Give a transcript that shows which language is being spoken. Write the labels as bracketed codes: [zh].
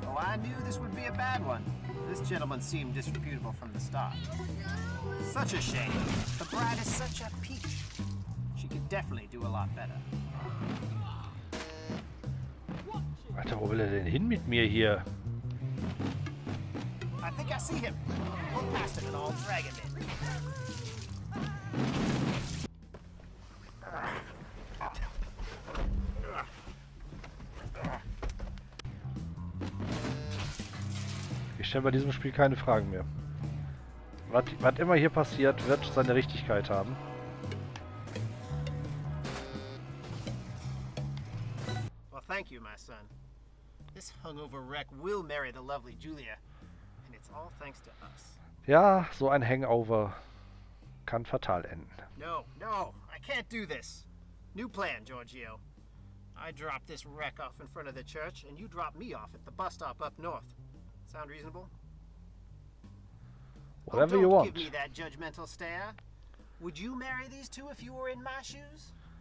[en] I knew this would be a bad one. This gentleman seemed disreputable from the start. Such a shame. The bride is such a peach. She could definitely do a lot better. [de] Alter, wo will er denn hin mit mir hier? [en] I think I see him. We'll pass him an old dragon bit. [de] Ich stelle bei diesem Spiel keine Fragen mehr. Was immer hier passiert, wird seine Richtigkeit haben. [en] Well, thank you, my son. This hungover wreck will marry the lovely Julia. And it's all thanks to us. [de] Ja, so ein Hangover kann fatal enden. [en] No, I can't do this. New plan, Giorgio. I drop this wreck off in front of the church, and you drop me off at the bus stop up north. Sound reasonable? Whatever you want. Don't give me that judgmental stare. Would you marry these two if you were in my shoes?